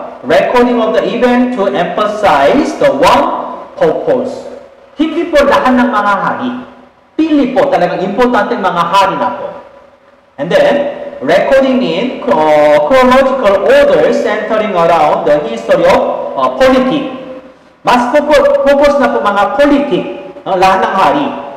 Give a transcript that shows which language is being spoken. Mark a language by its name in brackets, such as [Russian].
[English] Recording of the event to emphasize the one purpose. [Filipino] Hindi po lahat ng mga hari. Pili po talagang importante mga hari na po. [English] And then, recording in chronological order centering around the history of politics. [Filipino] Mas focus na po mga politics, lahat ng hari.